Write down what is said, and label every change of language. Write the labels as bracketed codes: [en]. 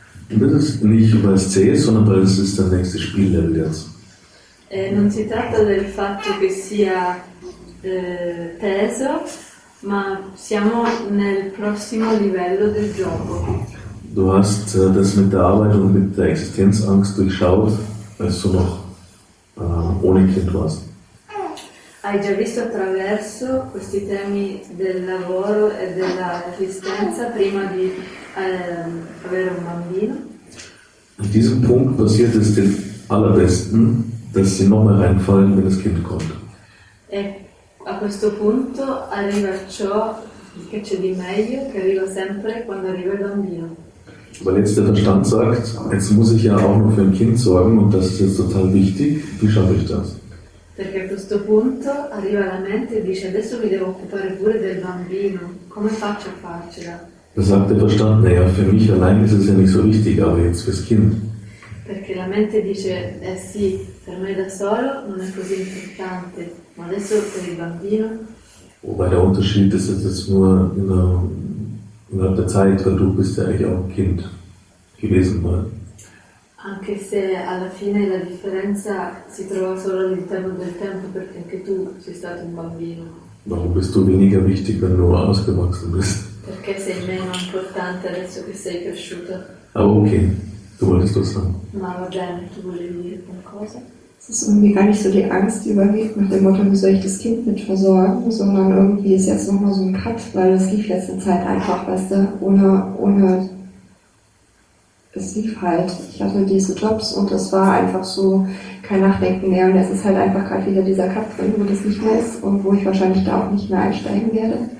[de] Das ist nicht, weil es zäh ist, sondern weil es ist der nächste Spiellevel jetzt. [it] Non si tratta del fatto che sia teso, ma siamo nel prossimo livello del gioco. [de] Du hast das mit der Arbeit und mit der Existenzangst durchschaut, als du noch ohne Kind warst. [it] Hai già visto attraverso questi temi del lavoro e della esistenza prima di avere un bambino. [de] In diesem Punkt passiert es den allerbesten, dass sie nochmal reinfallen, wenn das Kind kommt. [it] E a questo punto arriva ciò che c'è di meglio, che arriva sempre quando arriva il bambino. [de] Weil jetzt der Verstand sagt, jetzt muss ich ja auch noch für ein Kind sorgen und das ist jetzt total wichtig, wie schaffe ich das? [it] Perché a questo punto arriva la mente e dice adesso mi devo occupare pure del bambino, come faccio a farcela? [de] Da sagt der Verstand, naja, für mich allein ist es ja nicht so wichtig, aber jetzt fürs Kind. [it] Perché la mente dice, eh sì, per me da solo non è così importante, ma adesso per il bambino? [de] Wobei der Unterschied ist, dass es nur innerhalb der Zeit, weil du bist ja eigentlich auch ein Kind gewesen mal. [it] Anche se alla fine la differenza si trova solo all'interno del tempo, perché anche tu sei stato un bambino. [de] Warum bist du weniger wichtig, wenn du ausgewachsen bist? [it] Perché sei meno importante adesso che sei cresciuto. [de] Ah, okay. Du wolltest was sagen. [it] Ma va bene, tu volevi dire qualcosa? [de] Es ist irgendwie gar nicht so die Angst, die überwiegt, nach dem Motto, wie soll ich das Kind mit versorgen, sondern irgendwie ist jetzt nochmal so ein Cut, weil es lief letzte Zeit einfach, weißt du, ohne es lief halt. Ich hatte diese Jobs und es war einfach so kein Nachdenken mehr und es ist halt einfach gerade wieder dieser Cut drin, wo das nicht mehr ist und wo ich wahrscheinlich da auch nicht mehr einsteigen werde.